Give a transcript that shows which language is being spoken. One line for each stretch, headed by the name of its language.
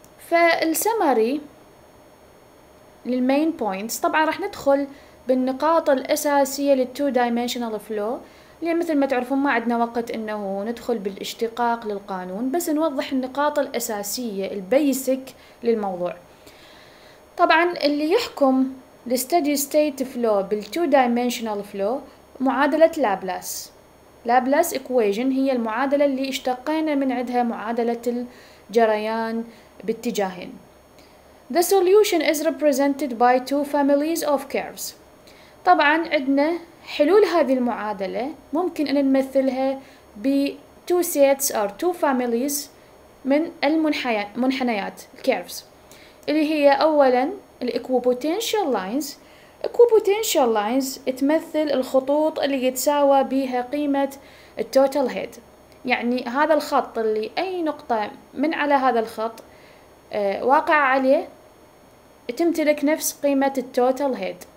Arabic: فالسمري للمين بوينتس، طبعا راح ندخل بالنقاط الاساسيه للتو دايمنشنال فلو، اللي مثل ما تعرفون ما عندنا وقت انه ندخل بالاشتقاق للقانون، بس نوضح النقاط الاساسيه البيسك للموضوع. طبعا اللي يحكم الستدي ستيت فلو بالتو دايمنشنال فلو معادله لابلاس. لابلاس ايكويشن هي المعادله اللي اشتقينا من عندها معادله الجريان باتجاهين.
English: The solution is represented by two families of curves.
Arabic: طبعا عندنا حلول هذه المعادلة ممكن أن نمثلها ب two sets or two families من المنحنيات curves، اللي هي أولا ال equipotential lines. Equipotential lines تمثل الخطوط اللي يتساوى بها قيمة total head، يعني هذا الخط اللي أي نقطة من على هذا الخط واقع عليه تمتلك نفس قيمة التوتال هيد.